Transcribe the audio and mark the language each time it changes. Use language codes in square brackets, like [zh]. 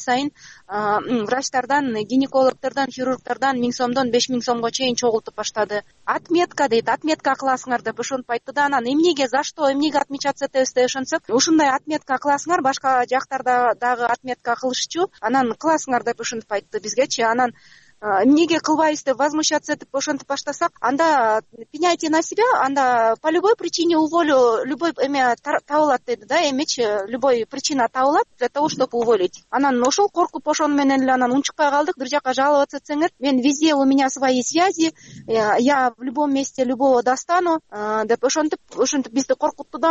[ky] Ай сайын врачтардан, гинекологдордон, хирургдордон 1000 сомдон 5000 сомго чейин чогултуп баштады. Отметка дейт, отметка кыласыңар деп ошонтип айтты да. Анан эмнеге, [ru] за что, [ky] эмнеге отмечаться этебиз деп ошонсок, ушундай отметка кыласыңар, башка жактарда дагы отметка кылышчу, анан кыласыңар деп ошонтип айтты бизгечи. Анан эмнеге кылбайбыз деп возмущаться этип ошентип баштасак, анда [ru] пеняйте на себя, [ky] анда [ru] по любой причине уволю, [ky] любой эме табылат деди да, эмечи любой причина табылат [ru] для того, чтобы уволить. [ky] Анан ошол коркуп ошону менен эле анан унчукпай калдык. Бир жака жалобаться этсеңер, мен [ru] везде, у меня свои связи, я в любом месте любого достану [ky] деп ошентип бизди коркутту да.